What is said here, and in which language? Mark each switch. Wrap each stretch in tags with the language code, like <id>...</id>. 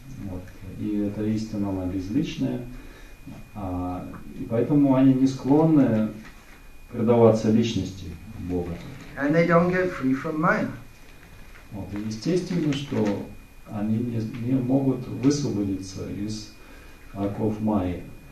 <ru>Вот. И эта истина, она безличная. И поэтому они не склонны предаваться личности Бога.</ru> <en>And they don't get free from Maya.</en> <ru>Вот. И естественно, что они не могут высвободиться из оков Майи.</ru>